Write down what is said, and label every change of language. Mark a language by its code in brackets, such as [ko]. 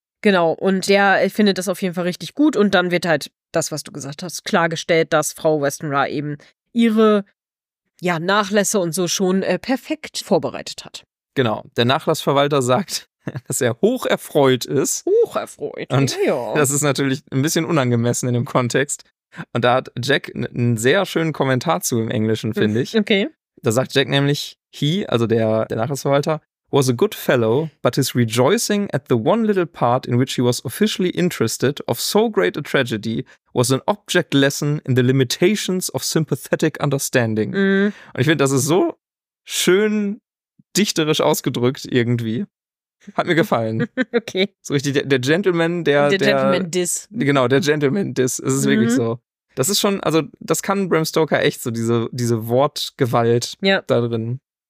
[de] Genau, und der findet das auf jeden Fall richtig gut. Und dann wird halt das, was du gesagt hast, klargestellt, dass Frau Westenra eben ihre Nachlässe und so schon perfekt vorbereitet hat. Genau, der Nachlassverwalter sagt, dass er hoch erfreut ist. Hoch erfreut, und ja. Das ist natürlich ein bisschen unangemessen in dem Kontext. Und da hat Jack einen sehr schönen Kommentar zu im Englischen, finde ich. Okay. Da sagt Jack nämlich, he, also der Nachlassverwalter, [en] was a good fellow, but his rejoicing at the one little part in which he was officially interested of so great a tragedy was an object lesson in the limitations of sympathetic understanding. Mm. [de] Und ich finde, das ist so schön dichterisch ausgedrückt irgendwie. Hat mir gefallen. Okay. So richtig, der Gentleman, der Gentleman-Diss. Genau, der Gentleman-Diss. Es ist wirklich so. Das ist schon, also das kann Bram Stoker echt so, diese Wortgewalt da drin.